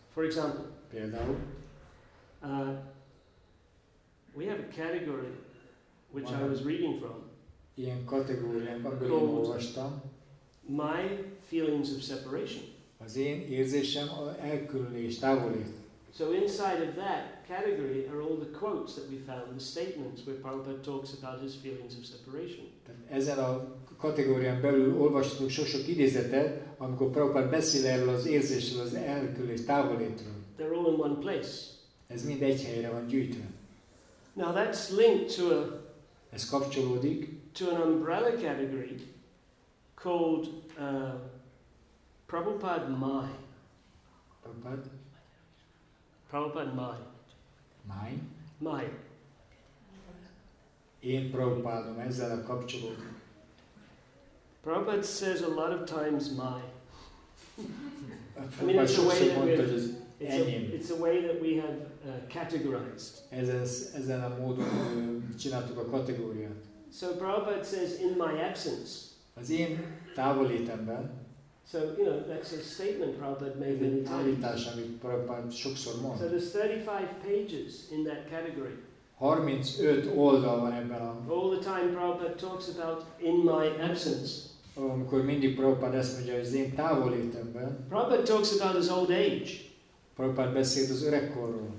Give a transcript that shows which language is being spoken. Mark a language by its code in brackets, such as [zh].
[en] For example, [hu] például, [en] we have a category which I was reading from. [hu] Ilyen kategóriák, amiből én olvastam. [en] My feelings of separation. [hu] Az én érzésem elkülönülés, távolít. [en] So inside of that category are all the quotes that we found, the statements where Prabhupada talks about his feelings of separation. [hu] Ezen a kategórián belül olvashatunk sok-sok idézetet, amikor Prabhupada beszél erről az érzésről, az elkülönülés, távolítról. [en] They're all in one place. [hu] Ez mind egy helyre van gyűjtve. [en] Now that's linked to a [hu] ez kapcsolódik [en] to an umbrella category called Prabhupada Mai. [hu] Én Prabhupádom, ezzel a kapcsolódik. [en] Prabhupada says a lot of times Mai. I mean, it's a way it's a way that we have categorized. [hu] Ezen a módon csináltuk a kategóriát. [en] So Prabhupada says in my absence. [hu] Az én távolétemben. [en] So, you know, that's a statement Prabhupada made many times. [hu] Amit Prabhupada sokszor mond. [en] So there's 35 pages in that category. [hu] 35 oldal van ebben a... [en] All the time Prabhupada talks about in my absence. [hu] Amikor mindig Prabhupada ezt mondja, hogy az én távolétemben. [en] Prabhupada talks about his old age. [hu] Prabhupada beszélt az öregkorról.